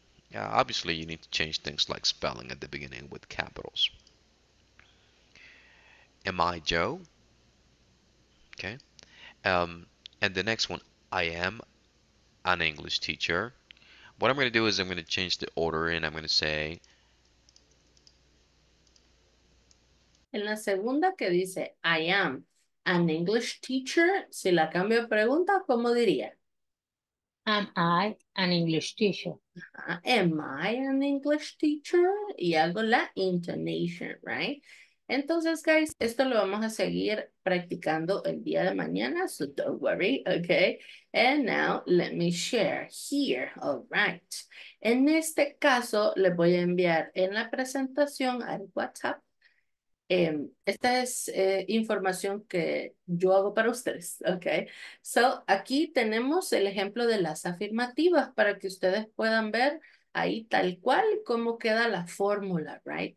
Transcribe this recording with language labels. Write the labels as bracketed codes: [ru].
[en] Yeah, obviously you need to change things like spelling at the beginning with capitals. Am I Joe? Okay. And the next one, I am an English teacher. What I'm going to do is I'm going to change the order, and I'm going to say, [es] En la segunda que dice, [en] I am an English teacher, [es] si la cambio de pregunta, ¿cómo diría? [en] Am I an English teacher? Am I an English teacher? [es] Y hago la [en] intonation, right? [es] Entonces, guys, esto lo vamos a seguir practicando el día de mañana, [en] so don't worry, okay? And now, let me share here, all right. [es] En este caso, les voy a enviar en la presentación al WhatsApp. Esta es información que yo hago para ustedes, okay? [en] So, [es] aquí tenemos el ejemplo de las afirmativas para que ustedes puedan ver ahí tal cual cómo queda la fórmula, right?